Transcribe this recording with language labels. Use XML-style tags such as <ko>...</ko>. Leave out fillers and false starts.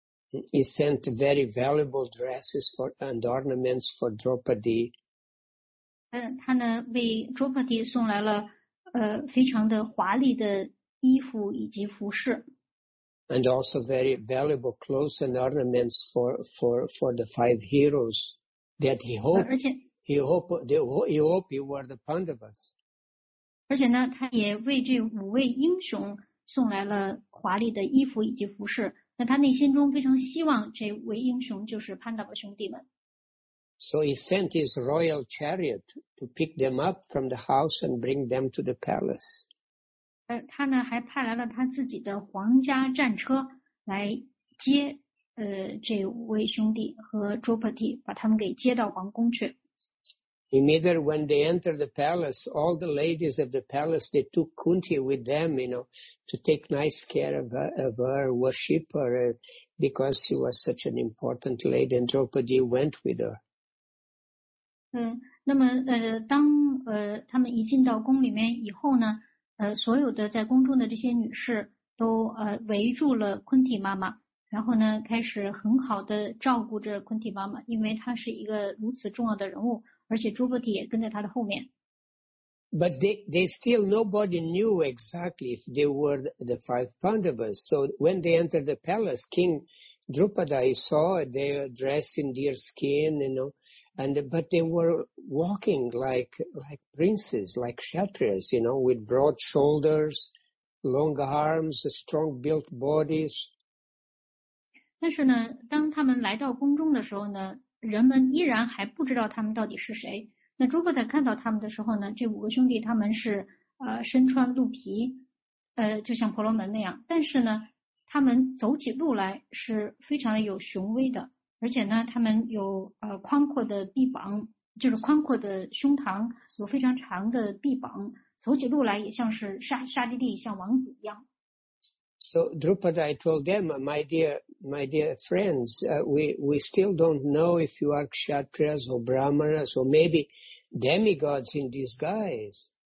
<en>He sent very valuable dresses for and ornaments for Draupadi.</en> <zh>他呢为 Draupadi 送来了非常的华丽的衣服以及服饰。</zh> <en>And also very valuable clothes and ornaments for the five heroes that he hoped.</en> <zh>而且</zh> <en>he hoped he were the Pandavas.</en> <zh>而且呢，他也为这五位英雄送来了华丽的衣服以及服饰。那他内心中非常希望这位英雄就是潘达巴兄弟们。</zh> <en>So he sent his royal chariot to pick them up from the house and bring them to the palace.</en> <zh>他呢还派来了他自己的皇家战车来接这位兄弟和 Draupadi， 把他们给接到皇宫去。</zh> <en>Immediately when they enter the palace, all the ladies of the palace, they took Kunti with them, you know, to take nice care of her worshipper, because she was such an important lady, and Draupadi went with her.</en> <zh>那么当他们一进到宫里面以后呢，所有的在宫中的这些女士都围住了 Kunti 妈妈，然后呢开始很好的照顾着 Kunti 妈妈，因为她是一个如此重要的人物。而且 Draupadi 也跟在他的后面。</zh> <en>But they still nobody knew exactly if they were the five Pandavas. So when they entered the palace, King Draupadi saw they were dressed in deer skin, you know, but they were walking like princes, like kshatriyas, you know, with broad shoulders, long arms, strong built bodies.</en> <zh>但是呢，当他们来到宫中的时候呢。人们依然还不知道他们到底是谁。那朱葛在看到他们的时候呢，这五个兄弟他们是身穿鹿皮，就像婆罗门那样。但是呢，他们走起路来是非常的有雄威的，而且呢，他们有宽阔的臂膀，就是宽阔的胸膛，有非常长的臂膀，走起路来也像是沙地像王子一样。</zh> <en>So Draupadi told them, my dear friends, we still don't know if you are kshatriyas or brahmanas or maybe demigods in disguise.</en>